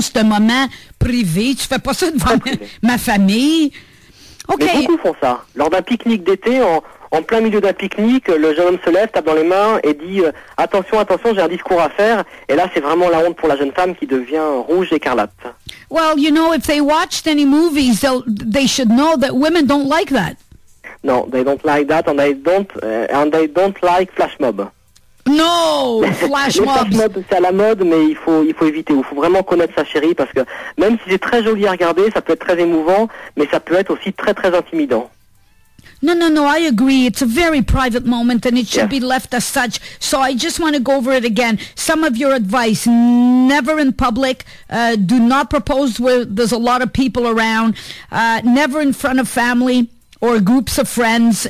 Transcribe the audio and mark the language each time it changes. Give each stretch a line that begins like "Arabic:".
French: C'est un moment privé. Tu ne fais pas ça devant ma famille. Okay. Mais beaucoup font ça. Lors d'un pique-nique d'été, en plein milieu d'un pique-nique, le jeune homme se lève, tape dans les mains et dit « Attention, attention, j'ai un discours à faire. » Et là, c'est vraiment la honte pour la jeune femme qui devient rouge écarlate.
English: Well, you know, if they watched any movies, they should know that women don't like that. No, they don't like that and they don't like flash mob. No, flash mobs.
French: Flash mob, c'est à la mode, mais il faut éviter. Il faut vraiment connaître sa chérie parce que même si c'est très joli à regarder, ça peut être très émouvant, mais ça peut être aussi très, très intimidant.
English: No, I agree. It's a very private moment and it should be left as such. So I just want to go over it again. Some of your advice, never in public. Do not propose where there's a lot of people around. Never in front of family or groups of friends.